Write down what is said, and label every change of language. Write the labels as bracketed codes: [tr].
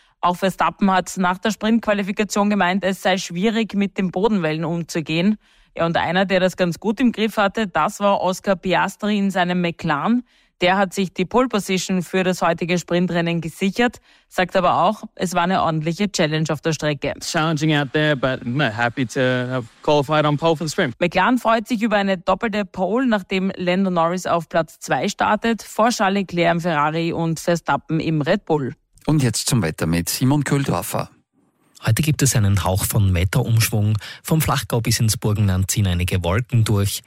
[de] Auch Verstappen hat nach der Sprintqualifikation gemeint, es sei schwierig, mit den Bodenwellen umzugehen. Ja, und einer, der das ganz gut im Griff hatte, das war Oscar Piastri in seinem McLaren. Der hat sich die Pole Position für das heutige Sprintrennen gesichert, sagt aber auch, es war eine ordentliche Challenge auf der Strecke. [en] It's challenging out there, but I'm happy to have qualified on pole for the sprint. [de] McLaren freut sich über eine doppelte Pole, nachdem Lando Norris auf Platz 2 startet, vor Charles Leclerc im Ferrari und Verstappen im Red Bull. Und jetzt zum Wetter mit Simon Köldorfer. Heute gibt es einen Hauch von Wetterumschwung. Vom Flachgau bis ins Burgenland ziehen einige Wolken durch.